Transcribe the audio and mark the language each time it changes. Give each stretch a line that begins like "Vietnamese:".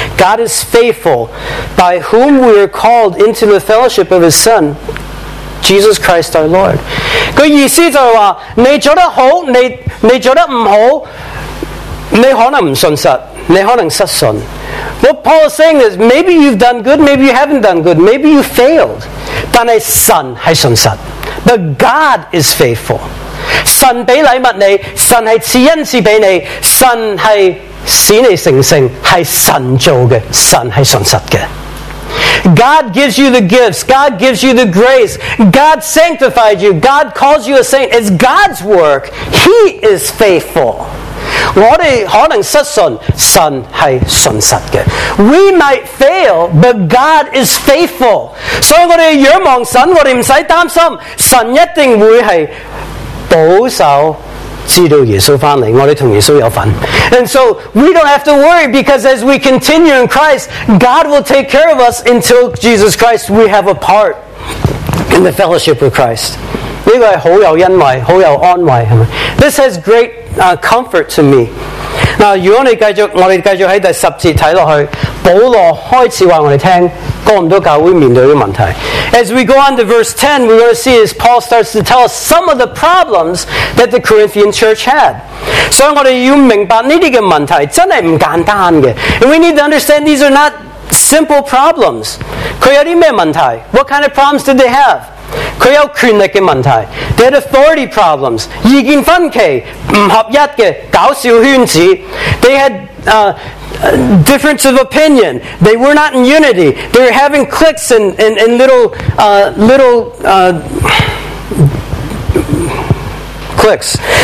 English: God is faithful, by whom we are called into the fellowship of His Son, Jesus Christ our Lord.
Chinese: 他意思就是说, 你做得好,你做得不好, 你可能不信实,你可能失信。
English: What Paul is saying is, maybe you've done good, maybe you haven't done good, maybe you failed.
Chinese: 但是神是信实。
English: But God is faithful.
Chinese: 神给礼物你, 神是赐恩赐给你, 神是使你成圣, 是神做的, 神是信实的。
English: God gives you the gifts. God gives you the grace. God sanctified you. God calls you a saint. It's God's work. He is faithful.
Chinese: 我们可能失信, 神是信实的。
English: We might fail, but God is faithful.
Chinese: 所以我们仰望神, 我们不用担心, 神一定会是保守, 知道耶稣回来, 我们和耶稣有份。
English: And so, we don't have to worry because as we continue in Christ, God will take care of us until Jesus Christ, we have a part in the fellowship of Christ.
Chinese: 这个是很有恩惠, 很有安慰, 是吗?
English: This has great comfort to me.
Chinese: Now, 如果你继续, 我们继续在第十节看下去, 保罗开始告诉我们, 哥林多教会面对的问题。
English: As we go on to verse 10, we're going to see as Paul starts to tell us some of the problems that the Corinthian church had.
Chinese: 所以我们要明白这些问题, 真的不简单的。
English: And we need to understand these are not simple problems.
Chinese: 他有什么问题?
English: What kind of problems did they have?
Chinese: 他有权力的问题,
English: they had authority problems,
Chinese: 意见分歧, 不合一的, 搞小圈子,
English: they had difference of opinion, they were not in unity, they were having cliques and little cliques.